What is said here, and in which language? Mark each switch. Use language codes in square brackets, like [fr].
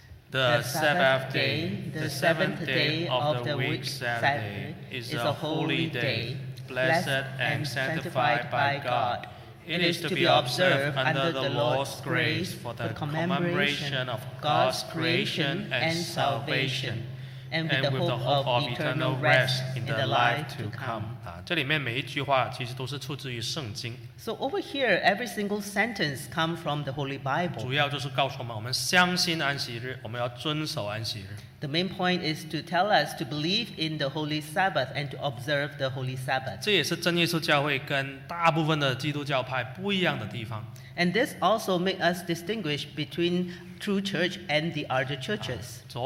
[en] The Sabbath day, the seventh day of the week, Saturday, is a holy day, blessed and sanctified by God. It is to be observed under the Lord's grace for the commemoration of God's creation and salvation, and with the hope of eternal rest in the life to come. [zh] 这里面每一句话其实都是出自于圣经。 [en] So over here, every single sentence comes from the Holy Bible. [zh] 主要就是告诉我们，我们相信安息日，我们要遵守安息日。 [en] The main point is to tell us to believe in the Holy Sabbath and to observe the Holy Sabbath. [zh] 这也是真耶稣教会跟大部分的基督教派不一样的地方。 [en] And this also makes us distinguish between true church and the other churches.